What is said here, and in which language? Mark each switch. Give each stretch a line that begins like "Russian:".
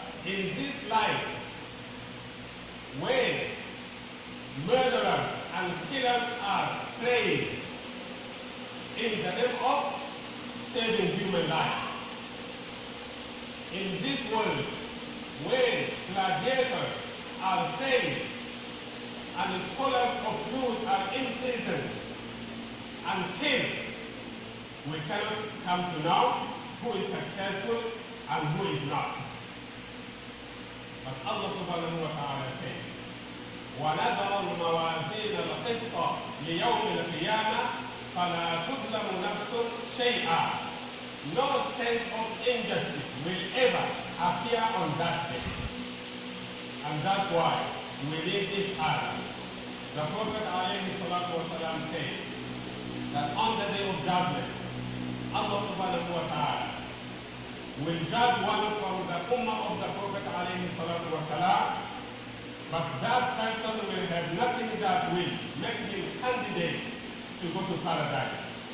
English: In this life, when murderers and killers are praised in the name of saving human lives, in this world, when gladiators are praised and scholars of truth are imprisoned and killed, we cannot come to know who is successful and who is not. But Allah subhanahu wa ta'ala said,
Arabic: وَنَذَرَ الْمَوَازِينَ الْقِسْطَ لِيَوْمِ الْقِيَامَةِ فَلَا تُظْلَمُ نَفْسٌ شَيْئًا.
English: No sense of injustice will ever appear on that day. And that's why we need each other. The Prophet alayhi salatu wa salam said that on the day of judgment, Allah subhanahu wa ta'ala will judge one from the ummah of the Prophet alayhi salatu wa salam, but that person will have nothing that will make him candidate to go to paradise.